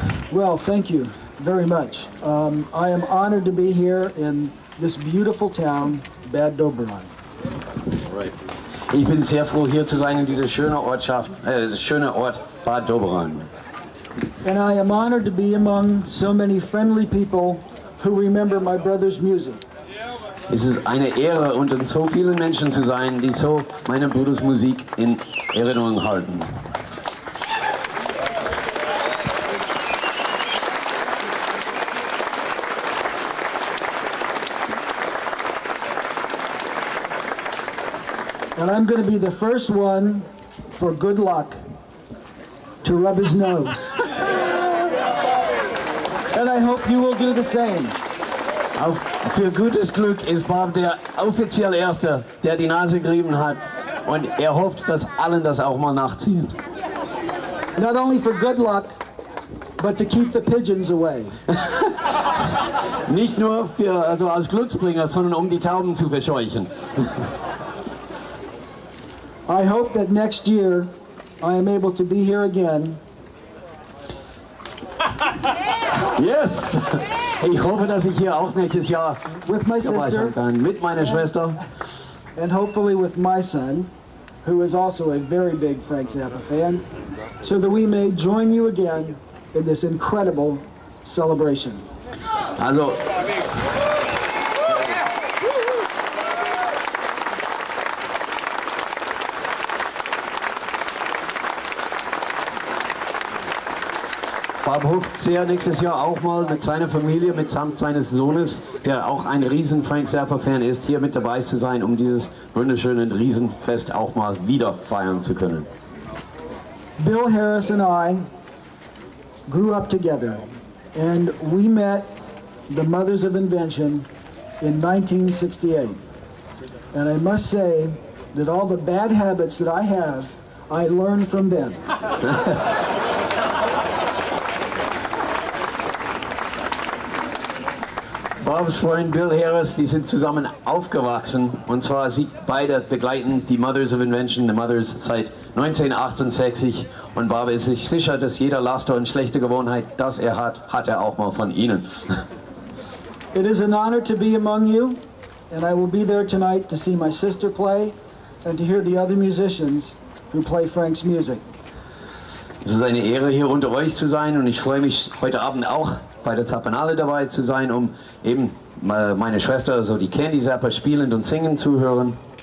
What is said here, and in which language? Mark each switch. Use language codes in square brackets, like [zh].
[en] Well, thank you very much. I am honored to be here in this beautiful town, Bad Doberan. All right. [de] Ich bin sehr froh, hier zu sein in dieser schönen Ortschaft, schöne Ort Bad Doberan. [en] And I am honored to be among so many friendly people who remember my brother's music. [de] Es ist eine Ehre, unter so vielen Menschen zu sein, die so meinen Bruders Musik in Erinnerung halten. [en] And I'm going to be the first one, for good luck, to rub his nose. And I hope you will do the same. [de] Für gutes Glück ist Bob der offiziell Erste, der die Nase gerieben hat. Und hofft, dass allen das auch mal nachziehen. [en] Not only for good luck, but to keep the pigeons away. [de] Nicht nur für, also als Glücksbringer, sondern um die Tauben zu verscheuchen. [en] I hope that next year I am able to be here again. Yeah. Yes. Yeah. [de] Ich hoffe, dass ich hier auch nächstes Jahr [en] with my sister [de] and mit meiner yeah. Schwester [en] and hopefully with my son, who is also a very big Frank Zappa fan, so that we may join you again in this incredible celebration. [de] Also, Bob Hofzeer nächstes Jahr auch mal mit seiner Familie, mitsamt seines Sohnes, der auch ein riesen Frank Zappa-Fan ist, hier mit dabei zu sein, um dieses wunderschöne Riesenfest auch mal wieder feiern zu können. [en] Bill Harris and I grew up together and we met the Mothers of Invention in 1968. And I must say that all the bad habits that I have, I learned from them. [de] Bobs Freund Bill Harris, die sind zusammen aufgewachsen und zwar sie beide begleiten die Mothers of Invention, the Mothers, seit 1968 und Bob ist sich sicher, dass jeder Laster und schlechte Gewohnheit, das er hat, hat er auch mal von ihnen. [en] It is an honor to be among you and I will be there tonight to see my sister play and to hear the other musicians who play Frank's music. [de] Es ist eine Ehre, hier unter euch zu sein und ich freue mich heute Abend auch bei der Zappanale dabei zu sein, um eben meine Schwester, so die Candy Zapper, spielend und singend zu hören.